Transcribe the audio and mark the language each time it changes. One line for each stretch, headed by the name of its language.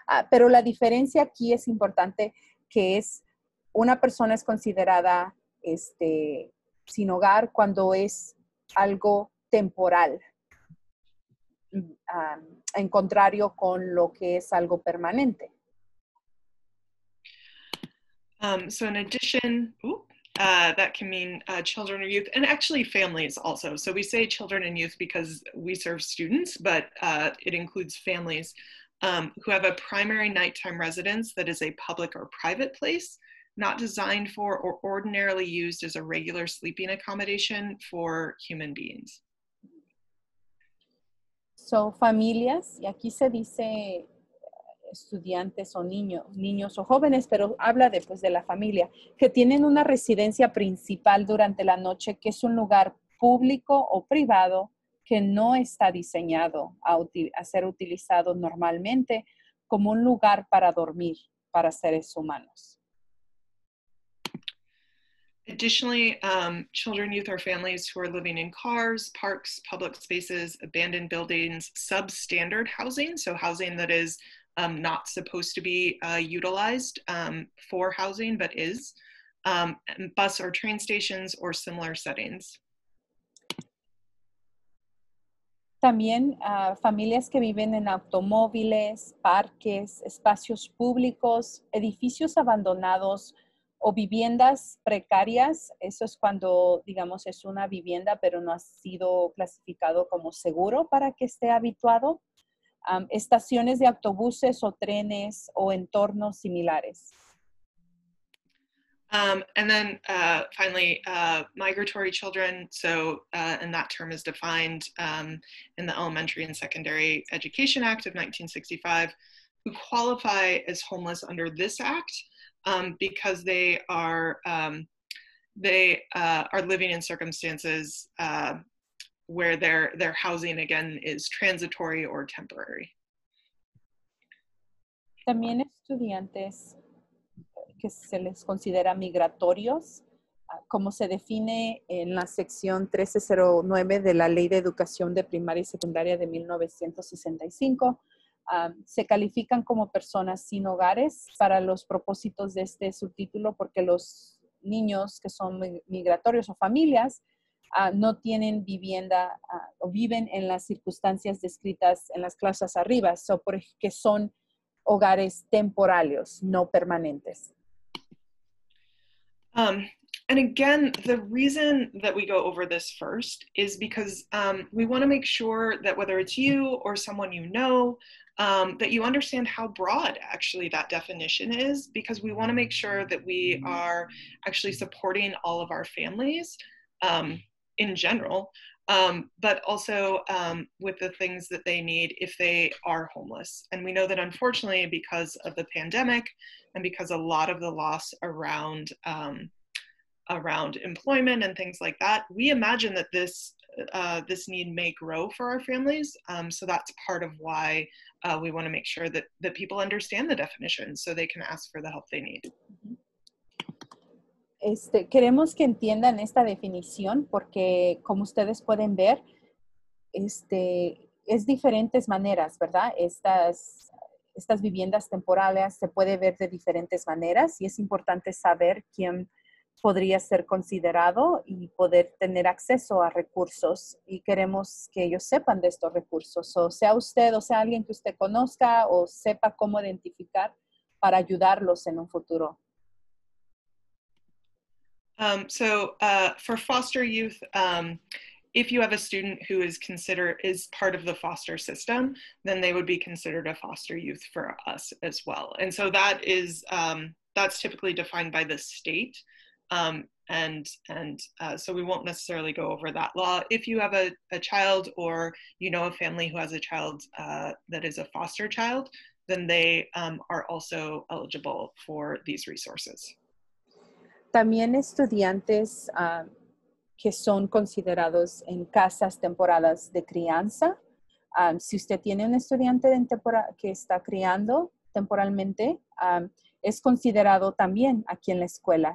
Spanish: Pero la diferencia aquí es importante, que es una persona es considerada sin hogar cuando es algo temporal. En contrario con lo que es algo permanente.
English: So in addition, that can mean children or youth, and actually families also. So we say children and youth because we serve students, but it includes families who have a primary nighttime residence that is a public or private place, not designed for or ordinarily used as a regular sleeping accommodation for human beings.
Spanish: So, familias, y aquí se dice estudiantes o niños o jóvenes, pero habla después de la familia, que tienen una residencia principal durante la noche, que es un lugar público o privado que no está diseñado a ser utilizado normalmente como un lugar para dormir para seres humanos.
English: Additionally, children, youth, or families who are living in cars, parks, public spaces, abandoned buildings, substandard housing, so housing that is not supposed to be utilized for housing, but is, bus or train stations or similar settings.
Spanish: También familias que viven en automóviles, parques, espacios públicos, edificios abandonados, o viviendas precarias. Eso es cuando, digamos, es una vivienda, pero no ha sido clasificado como seguro para que esté habituado. Estaciones de autobuses o trenes o entornos similares.
English: And then finally, migratory children. So, and that term is defined in the Elementary and Secondary Education Act of 1965, who qualify as homeless under this act. Because they are living in circumstances where their housing again is transitory or temporary.
Spanish: También estudiantes que se les considera migratorios, como se define en la sección 1309 de la Ley de Educación de Primaria y Secundaria de 1965. Se califican como personas sin hogares para los propósitos de este subtítulo porque los niños que son migratorios o familias no tienen vivienda o viven en las circunstancias descritas en las clases arriba, so porque son hogares temporales, no permanentes.
English: And again, the reason that we go over this first is because we want to make sure that whether it's you or someone you know, that you understand how broad actually that definition is, because we want to make sure that we are actually supporting all of our families in general, but also with the things that they need if they are homeless. And we know that unfortunately, because of the pandemic and because a lot of the loss around employment and things like that, we imagine that this this need may grow for our families. So that's part of why we want to make sure that, that people understand the definition so they can ask for the help they need.
Spanish: Queremos que entiendan esta definición porque, como ustedes pueden ver, es diferentes maneras, ¿verdad? Estas viviendas temporales se puede ver de diferentes maneras y es importante saber quién podría ser considerado y poder tener acceso a recursos y queremos que ellos sepan de estos recursos. O sea usted o sea alguien que usted conozca o sepa cómo identificar para ayudarlos en un futuro.
English: For foster youth, if you have a student who is part of the foster system, then they would be considered a foster youth for us as well. And so that is, that's typically defined by the state. So we won't necessarily go over that law. If you have a child or you know a family who has a child that is a foster child, then they are also eligible for these resources.
Spanish: También estudiantes que son considerados en casas temporales de crianza. Si usted tiene un estudiante que está criando temporalmente, es considerado también aquí en la escuela.